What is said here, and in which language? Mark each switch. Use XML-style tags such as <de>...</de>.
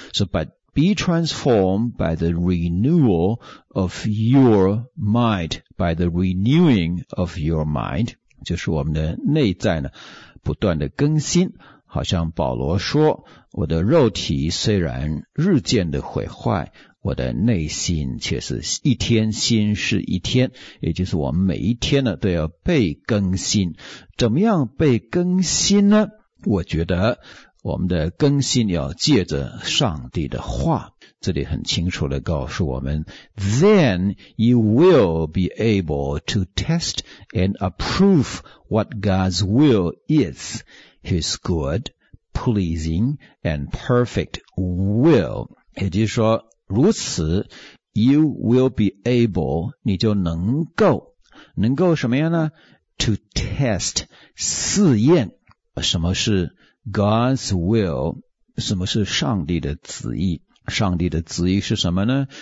<en>So but be transformed by the renewal of your mind， by the renewing of your mind，</en> <zh>就是我们的内在呢不断的更新，好像保罗说，我的肉体虽然日渐的毁坏，我的内心却是一天新是一天，也就是我们每一天呢都要被更新。怎么样被更新呢？我觉得我们的更新要借着上帝的话，这里很清楚地告诉我们</zh> <en>Then you will be able to test and approve what God's will is, His good, pleasing and perfect will。</en> <zh>也就是说如此</zh> <en>You will be able，</en> <zh>你就能够什么样呢？</zh> <en>To test，</en> <zh>试验什么是</zh> <en>God's will，</en> <zh>什么是上帝的旨意？上帝的旨意是什么呢？</zh>